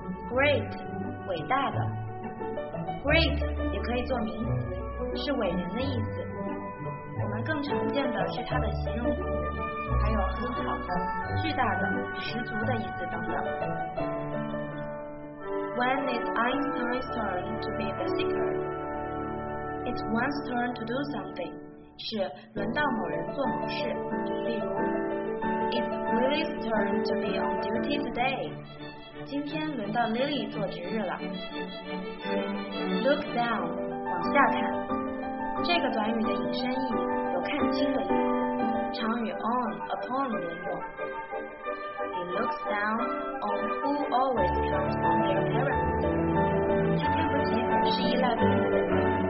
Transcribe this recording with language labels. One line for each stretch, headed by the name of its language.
Chinese: Great 伟大的 Great 也可以做名词，是伟人的意思。我们更常见的是它的形容词，还有很好的、巨大的、十足的意思等等。
English: When is Einstein's turn to be the seeker? It's one's turn to do something.
Chinese: 是轮到某人做某事，例如
English: It's Lily's turn to be on duty today.
Chinese: 今天轮到 Lily 做值日了。
English: Look down，
Chinese: 往下看。这个短语的引申义有看清的意思，常与 on、upon 连用。
English: He looks down on who always counts on their parents。
Chinese: 他看不起而是依赖父母的人。